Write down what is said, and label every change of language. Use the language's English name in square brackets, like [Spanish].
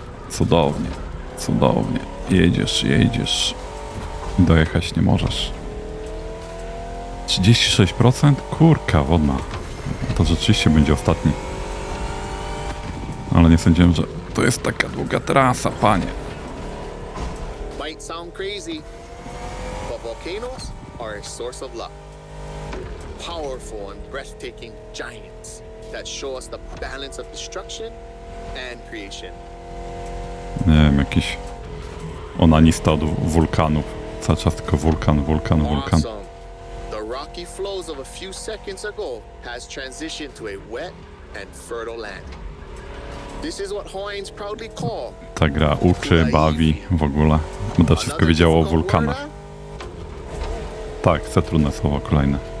[Polish] Cudownie, cudownie. Jedziesz, jedziesz. Dojechać nie możesz. 36%? Kurka wodna. To rzeczywiście będzie ostatni. Ale nie sądziłem, że to jest taka długa trasa, panie. [English] Might sound crazy, but volcanoes are a source of luck. Powerful and breathtaking giants that show us the balance of destruction and creation. [Polish] Nie wiem, jakiś onanista od wulkanów. Cały czas tylko wulkan, wulkan, wulkan. [English] Rocky flows of a few seconds ago has transitioned to a wet and fertile land. This is what Hawaiians proudly call. [Polish] Ta gra uczy, bawi w ogóle. Będę wszystko wiedział o wulkanach. Tak, chcę trudne słowo kolejne.